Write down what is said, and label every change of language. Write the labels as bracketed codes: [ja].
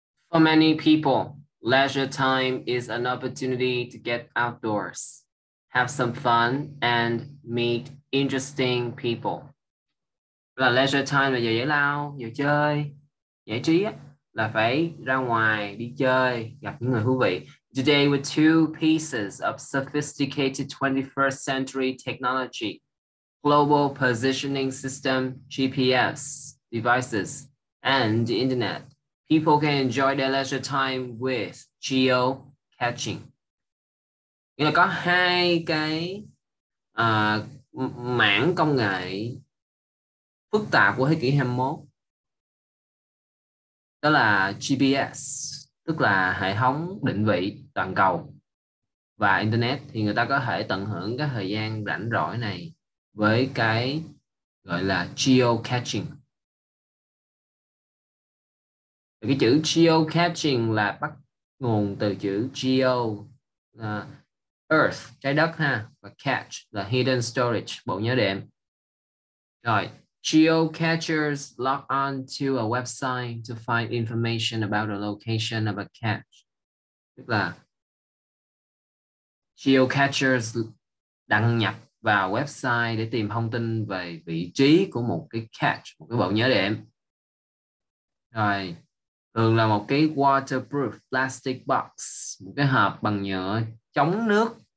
[en] For many people, leisure time is an opportunity to get outdoors, have some fun, and meet interesting people. [vi] Là leisure time là giờ giải lao, giờ chơi, giải trí á, là phải ra ngoài đi chơi, gặp những người thú vị. [en] Today, with two pieces of sophisticated 21st century technology, global positioning system, GPS devices, and the internet, people can enjoy their leisure time with geo catching. [vi] Nghĩa là có hai cái mảng công nghệ phức tạp của thế kỷ 21. Đó là GPS, tức là hệ thống định vị toàn cầu, và internet, thì người ta có thể tận hưởng cái thời gian rảnh rỗi này với cái gọi là geo catching. Cái chữ geocaching là bắt nguồn từ chữ geo là earth, trái đất ha, và cache là [en] hidden storage, [vi] bộ nhớ đệm. [en] Rồi, geocachers log on to a website to find information about the location of a cache. [vi] Tức là geocachers đăng nhập vào website để tìm thông tin về vị trí của một cái cache, một cái bộ nhớ đệm. Rồi, thường là một cái [en] waterproof plastic box, [vi] một cái hộp bằng nhựa chống nước.